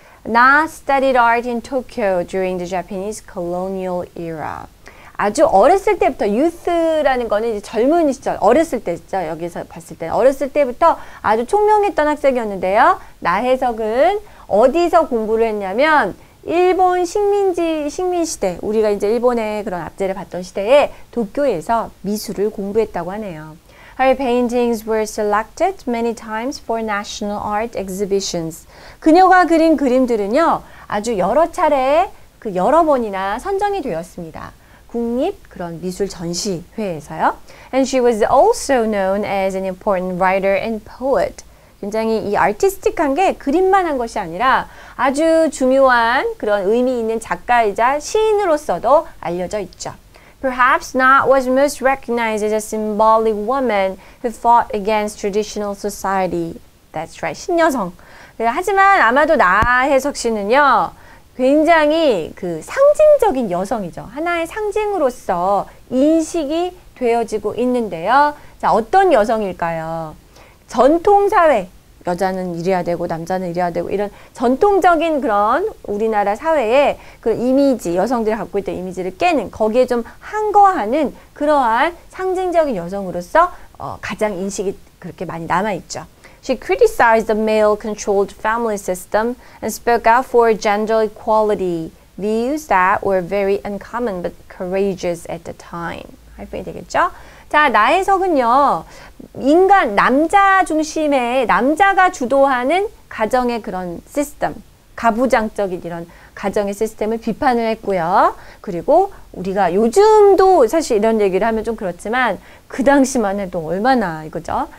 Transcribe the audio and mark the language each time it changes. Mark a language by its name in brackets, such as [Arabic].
[English] Na studied art in Tokyo during the Japanese colonial era. [Korean] 아주 어렸을 때부터, youth라는 거는 이제 젊은 시절, 어렸을 때죠. 여기서 봤을 때. 어렸을 때부터 아주 총명했던 학생이었는데요. 나혜석은 어디서 공부를 했냐면, 일본 식민시대, 우리가 이제 일본의 그런 압제를 받던 시대에 도쿄에서 미술을 공부했다고 하네요. [English] Her paintings were selected many times for national art exhibitions. [Korean] 그녀가 그린 그림들은요, 아주 여러 차례 그 여러 번이나 선정이 되었습니다. 국립 그런 미술 전시회에서요. [English] And she was also known as an important writer and poet. [Korean] 굉장히 이 아티스틱한 게 그림만 한 것이 아니라 아주 중요한 그런 의미 있는 작가이자 시인으로서도 알려져 있죠. [English] Perhaps Na was most recognized as a symbolic woman who fought against traditional society. That's right, 신여성. [Korean] 하지만 아마도 나혜석 씨는요. 굉장히 그 상징적인 여성이죠. 하나의 상징으로서 인식이 되어지고 있는데요. 자, 어떤 여성일까요? 전통사회, 여자는 이래야 되고 남자는 이래야 되고 이런 전통적인 그런 우리나라 사회의 그 이미지, 여성들이 갖고 있던 이미지를 깨는 거기에 좀 한거하는 그러한 상징적인 여성으로서 가장 인식이 그렇게 많이 남아있죠. [English] She criticized the male-controlled family system and spoke out for gender equality, views that were very uncommon but courageous at the time. [Korean] 할 뿐이 되겠죠? 자, 나혜석은요, 인간, 남자 중심의, 남자가 주도하는 가정의 그런 시스템, 가부장적인 이런 가정의 시스템을 비판을 했고요. 그리고 우리가 요즘도 사실 이런 얘기를 하면 좀 그렇지만 그 당시만 해도 얼마나 이거죠.